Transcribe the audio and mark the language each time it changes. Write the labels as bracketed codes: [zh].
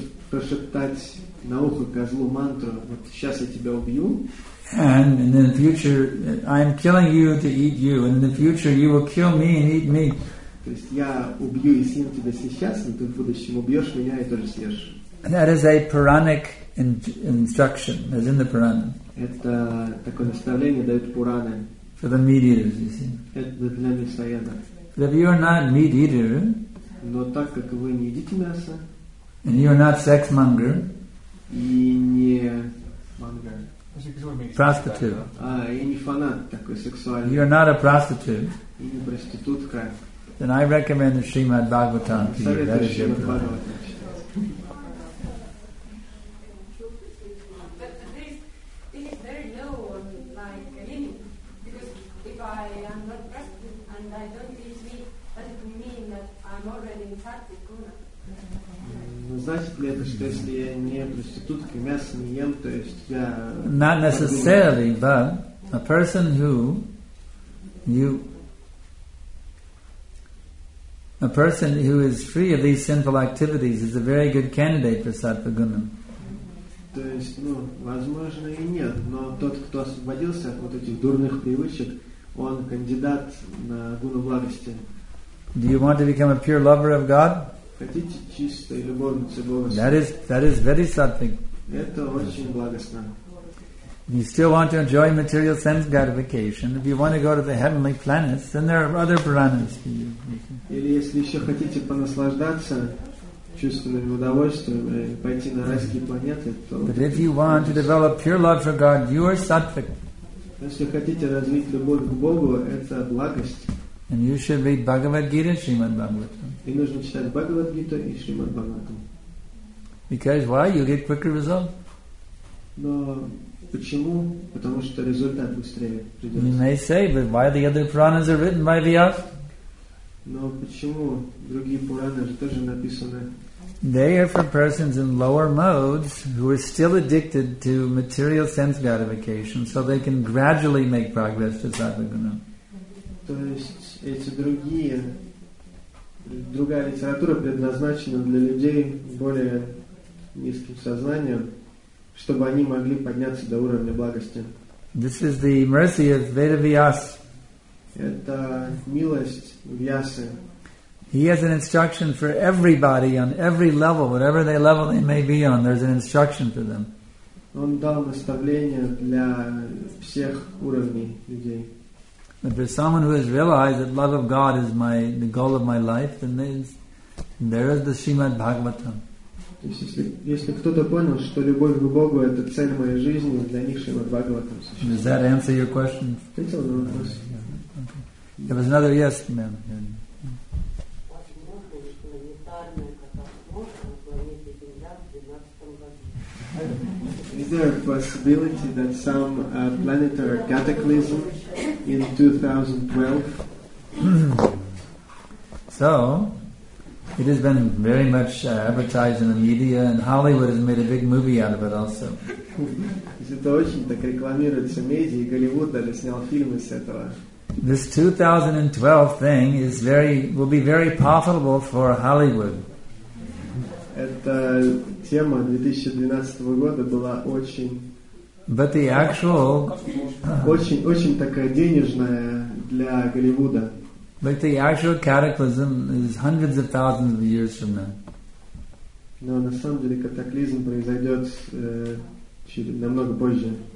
[ru] На ухо козлу мантру, вот сейчас я тебя убью. [en] And in the future, I am killing you to eat you. And in the future, you will kill me and eat me. [ru] То есть я убью и съем тебя сейчас, но ты в будущем убьешь меня и тоже съешь. [en] That is a Puranic instruction, as in the Purana. [ru] Это такое наставление дают Пураны. [en] For the meat eaters, you see. [ru] Это для мясоеда. [en] But if you are not meat eater, [ru] но так как вы не едите мясо, [en] and you are not sex monger. [ru] И не [en] prostitute. [ru] А, и не фанат такой сексуальный. [en] You're not a prostitute. [ru] И не проститутка. [en] Then I recommend the Srimad Bhagavatam to you. That is your Not necessarily, but a person who is free of these sinful activities is a very good candidate for sattva guna. [ru] То есть, ну, возможно и нет, но тот, кто освободился от вот этих дурных привычек, он кандидат на гуну благости. [en] Do you want to become a pure lover of God? [ru] Хотите чистой любовницей Бога? [en] That is very something. [ru] Это очень благостно. [en] You still want to enjoy material sense gratification. If you want to go to the heavenly planets, then there are other puranas for you. [ru] Или если еще хотите понаслаждаться чувственным удовольствием и пойти на райские планеты, то. [en] But if you want to develop pure love for God, you are sattvic. [ru] Если хотите развить любовь к Богу, это благость. [en] And you should read Bhagavad Gita, Srimad Bhagavatam. [ru] И нужно читать Бхагавад Гиту и Шримад Бхагаватам. [en] Because why? You get quicker result. [ru] Но почему? Потому что результат быстрее придет. [en] You may say, but why the other Puranas are written by Vyas? [ru] Но почему другие Пураны тоже написаны? [en] They are for persons in lower modes who are still addicted to material sense gratification, so they can gradually make progress to sattva-guna. [ru] То есть эти другие, другая литература предназначена для людей более низким сознанием, чтобы они могли подняться до уровня благости. [en] This is the mercy of Vedavyas. [ru] Это милость Вьясы. [en] He has an instruction for everybody on every level, whatever the level they may be on. There's an instruction for them. [ru] Он дал наставление для всех уровней людей. [en] But for someone who has realized that love of God is the goal of my life, then there is the Srimad Bhagavatam. [ru] Если кто-то понял, что любовь к Богу это цель моей жизни, для них Шримад Бхагаватам. [en] Does that answer your question? Okay. There was another yes, ma'am. Is there a possibility that some planetary cataclysm in 2012? So, it has been very much advertised in the media, and Hollywood has made a big movie out of it also. [ru] Это очень так рекламируется в медиа, и Голливуд даже снял фильм из этого. [en] This 2012 thing will be very profitable for Hollywood. [ru] Эта тема 2012 года была очень. [en] But the actual. [ru] Очень такая денежная для Голливуда. [en] But the actual cataclysm is hundreds of thousands of years from now. [ru] Но на самом деле катаклизм произойдет намного позже.